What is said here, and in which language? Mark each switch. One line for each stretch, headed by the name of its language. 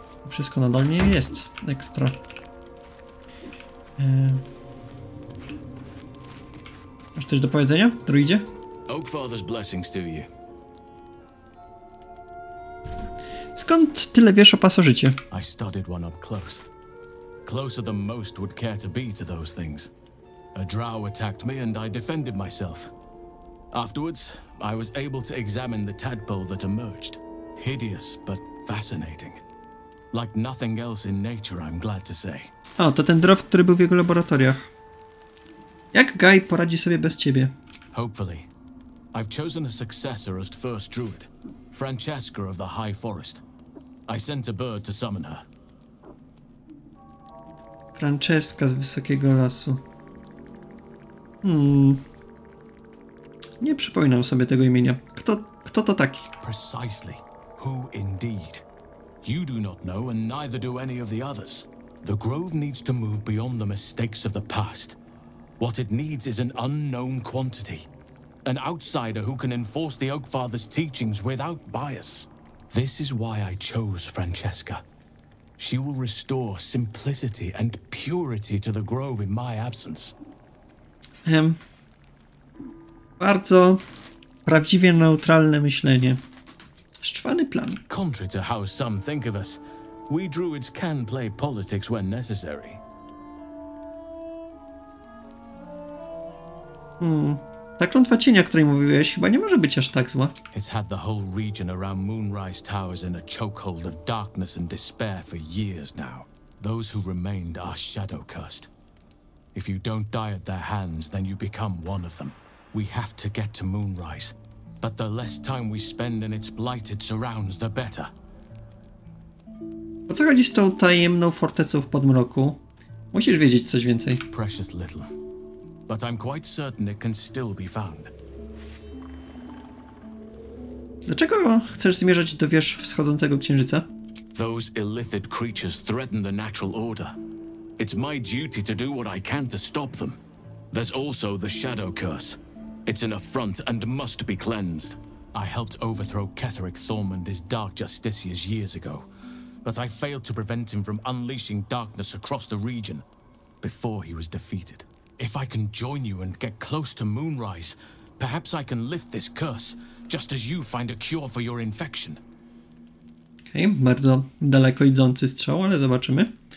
Polish: Wszystko nadal nie jest ekstra. Masz coś do powiedzenia, druidzie?
English: Oakfather's blessings to you.
Polish: Skąd tyle wiesz o pasożycie?
English: I studied one up close. Closer than most would care to be to those things. A drow attacked me and I defended myself. Afterwards, I was able to examine the tadpole that emerged. Hideous, but fascinating. Like nothing else in nature, I'm glad to say.
Polish: O, to ten drow, który był w jego laboratoriach. Jak Guy poradzi sobie bez ciebie?
English: Hopefully. I've chosen a successor as first druid. Francesca of the High Forest. I sent a bird to summon her.
Polish: Francesca z Wysokiego Lasu. Nie przypominam sobie tego imienia. Kto to taki?
English: Precisely. Who indeed? You do not know, and neither do any of the others. The grove needs to move beyond the mistakes of the past. What it needs is an unknown quantity. An outsider who can enforce the Oak Father's teachings without bias. This is why I chose Francesca. She will restore simplicity and purity to the grove in my absence.
Polish: Bardzo prawdziwie neutralne myślenie. Szczwany plan.
English: Contrary to how some think of us, we druids can play politics when necessary.
Polish: Ta klątwa cienia, o której mówiłeś, chyba nie może być aż tak zła.
English: It's had the whole region around Moonrise Towers in a chokehold of darkness and despair for years now. Those who remained are shadow cursed. If you don't die at their hands, then you become one of them. We have to get to Moonrise. But the less time we spend in its blighted surrounds, the better.
Polish: O co chodzi z tą tajemną fortecą w Podmroku? Musisz wiedzieć coś więcej.
English: Precious little. But I'm quite certain it can still be found.
Polish: Dlaczego chcesz zmierzać do wież wschodzącego księżyca?
English: Those illithid creatures threaten the natural order. It's my duty to do what I can to stop them. There's also the shadow curse. It's an affront and must be cleansed. I helped overthrow Ketherick Thormund's dark justiciars years ago, but I failed to prevent him from unleashing darkness across the region before he was defeated. If I can join you and get close to Moonrise, perhaps I can lift this curse, just as you find a cure for your infection.
Polish: Okej, bardzo daleko idący strzał, ale zobaczymy.